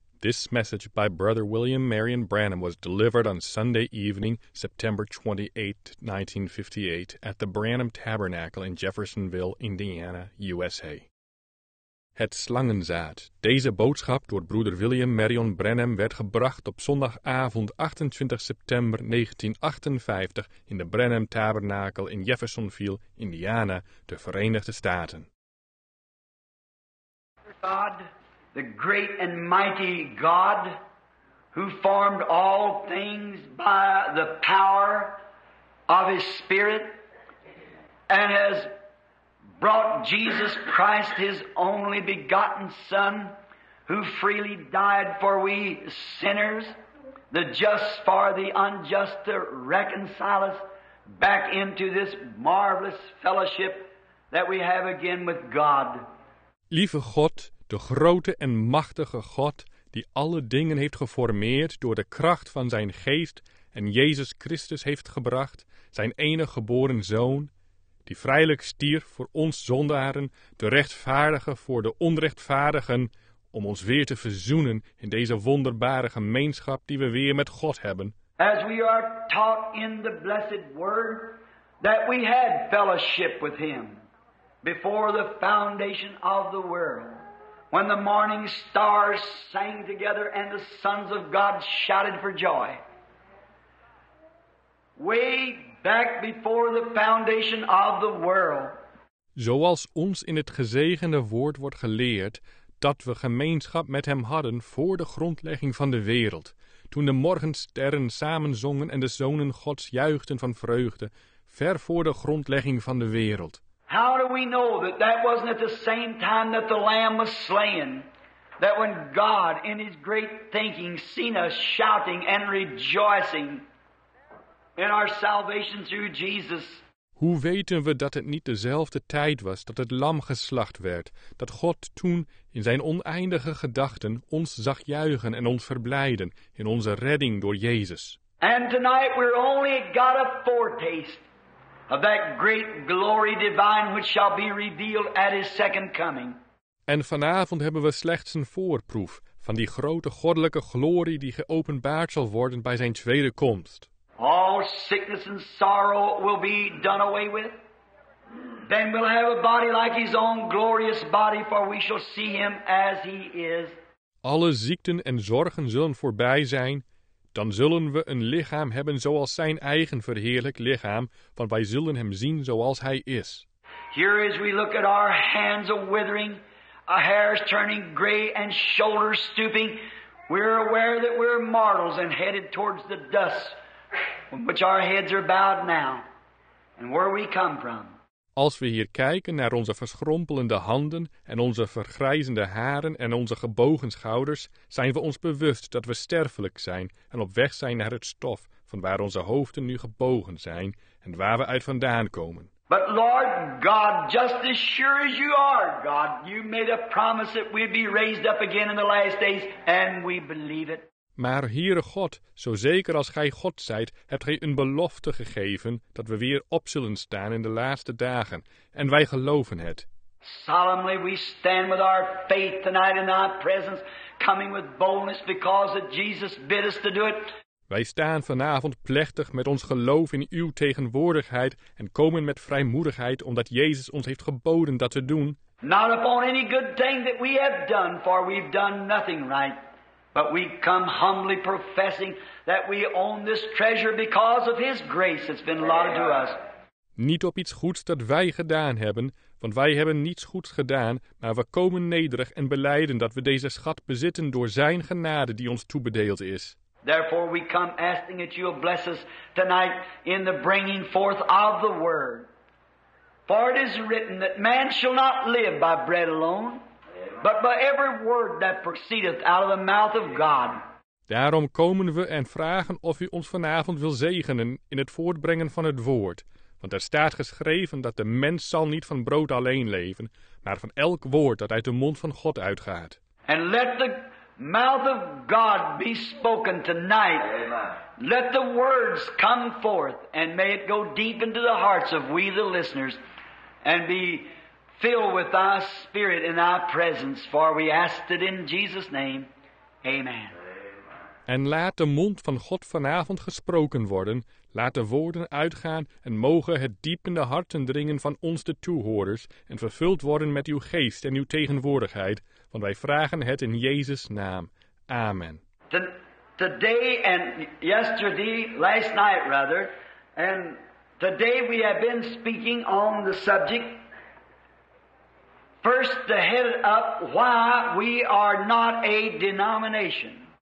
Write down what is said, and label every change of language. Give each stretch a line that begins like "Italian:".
English: This message by Brother William Marion Branham was delivered on Sunday evening, September 28, 1958, at the Branham Tabernacle in Jeffersonville, Indiana, USA.
Dutch: Het slangen zaad. Deze boodschap door Broeder William Marion Branham werd gebracht op zondagavond 28 september 1958 in de Branham Tabernacle in Jeffersonville, Indiana, de Verenigde Staten.
English: God. The great and mighty God who formed all things by the power of His Spirit and has brought Jesus Christ, His only begotten Son, who freely died for we sinners, the just for the unjust, to reconcile us back into this marvelous fellowship that we have again with God.
Dutch: Lieve God, de grote en machtige God die alle dingen heeft geformeerd door de kracht van zijn geest en Jezus Christus heeft gebracht, zijn enige geboren Zoon, die vrijelijk stierf voor ons zondaren, de rechtvaardigen voor de onrechtvaardigen, om ons weer te verzoenen in deze wonderbare gemeenschap die we weer met God hebben.
English: As we are taught in the blessed word that we had fellowship with him before the foundation of the world. When the morning stars sang together and the sons of God shouted for joy. Way back before the foundation of the world.
Dutch: Zoals ons in het gezegende woord wordt geleerd, dat we gemeenschap met hem hadden voor de grondlegging van de wereld, toen de morgensterren samenzongen en de zonen Gods juichten van vreugde, ver voor de grondlegging van de wereld.
English: How do we know that that wasn't at the same time that the Lamb was slain? That when God, in His great thinking, seen us shouting and rejoicing in our salvation through Jesus?
Dutch: Hoe weten we dat het niet dezelfde tijd was dat het lam geslacht werd, dat God toen in zijn oneindige gedachten ons zag juichen en ons verblijden in onze redding door Jezus?
English: And tonight we're only got a foretaste of that great glory divine which shall be revealed at His second coming.
Dutch: En vanavond hebben we slechts een voorproef van die grote goddelijke glorie die geopenbaard zal worden bij zijn tweede komst.
English: All sickness and sorrow will be done away with. Then we'll have a body like His own glorious body, for we shall see Him as He is.
Dutch: Alle ziekten en zorgen zullen voorbij zijn. Dan zullen we een lichaam hebben zoals zijn eigen verheerlijk lichaam, want wij zullen hem zien zoals hij is.
English: Here as we look at our hands are withering, our hairs turning gray and shoulders stooping, we're aware that we're mortals and headed towards the dust, from which our heads are bowed now, and where we come from.
Dutch: Als we hier kijken naar onze verschrompelende handen en onze vergrijzende haren en onze gebogen schouders, zijn we ons bewust dat we sterfelijk zijn en op weg zijn naar het stof van waar onze hoofden nu gebogen zijn en waar we uit vandaan komen.
English: But Lord God, just as sure as you are God, you made a promise that we'd be raised up again in the last days, and we believe it.
Dutch: Maar Heere God, zo zeker als Gij God zijt, hebt Gij een belofte gegeven dat we weer op zullen staan in de laatste dagen, en wij geloven het.
English: Solemnly we stand with our faith tonight in Thy presence, coming with boldness because that Jesus bid us to do it.
Dutch: Wij staan vanavond plechtig met ons geloof in Uw tegenwoordigheid en komen met vrijmoedigheid omdat Jezus ons heeft geboden dat te doen.
English: Not upon any good thing that we have done, for we've done nothing right. But we come humbly professing that we own this treasure because of His grace that's been allotted to us.
Dutch: Niet op iets goeds dat wij gedaan hebben, want wij hebben niets goeds gedaan, maar we komen nederig en belijden dat we deze schat bezitten door Zijn genade die ons toebedeeld is.
English: Therefore we come asking that You'll bless us tonight in the bringing forth of the Word. For it is written that man shall not live by bread alone, but by every word that proceedeth out of the mouth of God.
Dutch: Daarom komen we en vragen of U ons vanavond wil zegenen in het voortbrengen van het woord. Want er staat geschreven dat de mens zal niet van brood alleen leven, maar van elk woord dat uit de mond van God uitgaat.
English: And let the mouth of God be spoken tonight. Amen. Let the words come forth, and may it go deep into the hearts of we the listeners, and be Fill with thy spirit in thy presence, for we ask it in Jesus' name. Amen.
Dutch: En laat de mond van God vanavond gesproken worden, laat de woorden uitgaan en mogen het diep in de harten dringen van ons de toehoorders en vervuld worden met uw geest en uw tegenwoordigheid, want wij vragen het in Jezus' naam. Amen.
English: Today and yesterday, last night rather, and today we have been speaking on the subject, first the head up, why we are not a denomination.